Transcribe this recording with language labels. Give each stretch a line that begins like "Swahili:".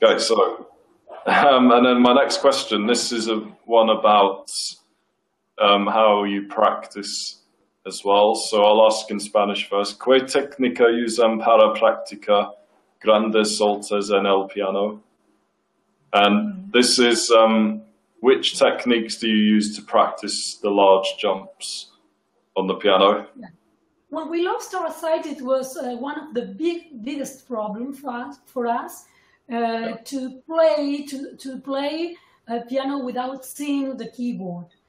English: Okay, so, and then my next question, this is a one about how you practice as well. So I'll ask in Spanish first.
Spanish: ¿Qué técnica usan para practicar grandes soltas en el piano?
English: And this is, which techniques do you use to practice the large jumps on the piano? When we lost our sight, it was one of the biggest problems for us to play a piano without seeing the keyboard.